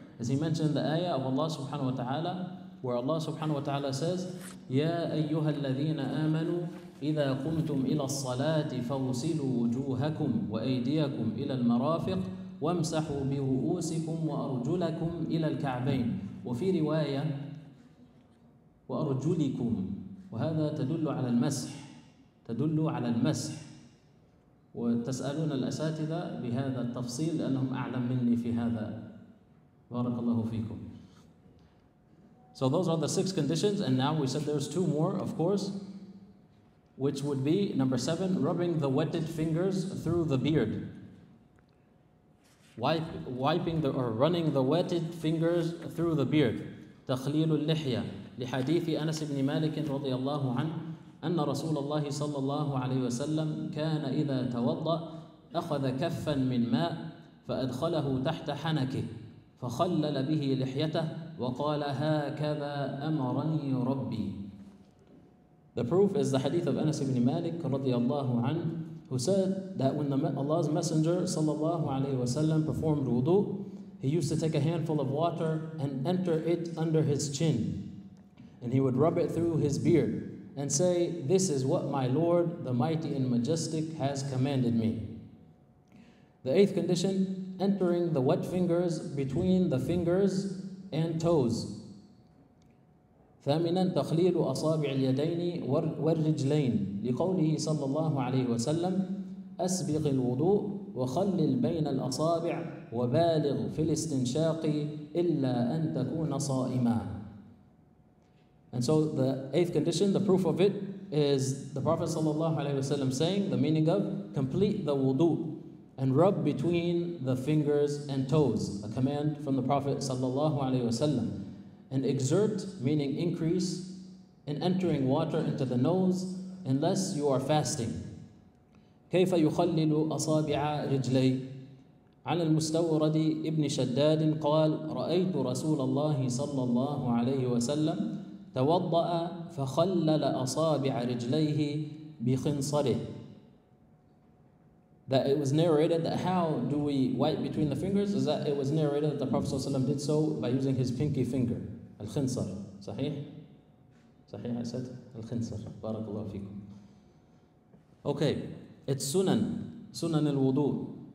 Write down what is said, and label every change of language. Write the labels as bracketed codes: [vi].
[en] As he mentioned the ayah of Allah subhanahu wa ta'ala, where Allah subhanahu wa ta'ala says, [ar] يَا أَيُّهَا الَّذِينَ آمَنُوا إِذَا قُمْتُمْ إِلَى الصَّلَاةِ فَغْسِلُوا وُجُوهَكُمْ وَأَيْدِيَكُمْ إِلَى الْمَرَافِقِ وَامْسَحُوا بِرُؤُوسِكُمْ وَأَرْجُلَكُمْ إِلَى الْكَعْبَيْنِ. وفي رواية وأرجلكم، وهذا تدل على المسح، تدل على المسح. وتسألون الأساتذة بهذا التفصيل لأنهم أعلم مني في هذا. بارك الله فيكم. [en] So those are the six conditions, and now we said there's two more, of course, which would be number seven, rubbing the wetted fingers through the beard. Running the wetted fingers through the beard. [ar] تخليل اللحية. لحديث أنس بن مالك رضي الله عنه أن رسول الله صلى الله عليه وسلم كان إذا توضأ أخذ كفا من ماء فأدخله تحت حنكه فخلل به لحيته وقال هكذا أمرني ربي. [en] The proof is the hadith of Anas ibn Malik رضي الله عنه, who said that when Allah's Messenger صلى الله عليه وسلم performed wudu, he used to take a handful of water and enter it under his chin, and he would rub it through his beard and say, this is what my Lord, the Mighty and Majestic, has commanded me. The eighth condition, entering the wet fingers between the fingers and toes. [ar] ثامنا تخليل أصابع اليدين والرجلين لقوله صلى الله عليه وسلم أسبغ الوضوء وخلل بين الأصابع وبالغ في الاستنشاق إلا أن تكون صائما. [en] And so the eighth condition, the proof of it, is the Prophet sallallahu alaihi wasallam saying, the meaning of, complete the wudu and rub between the fingers and toes, a command from the Prophet sallallahu alaihi wasallam, and exert, meaning increase, in entering water into the nose unless you are fasting. [ar] كيف يخلل أصابع رجلي عن المستورد ابن شداد قال رأيت رسول الله صلى الله عليه وسلم توضأ فخلل أصابع رجليه بخنصره. [en] That it was narrated that how do we wipe between the fingers is that it was narrated that the Prophet صلى الله عليه وسلم did so by using his pinky finger, الخنصر. [ar] صحيح؟ صحيح أسد؟ الخنصر. بارك الله فيكم. [en] Okay, it's sunan, sunan الوضوء.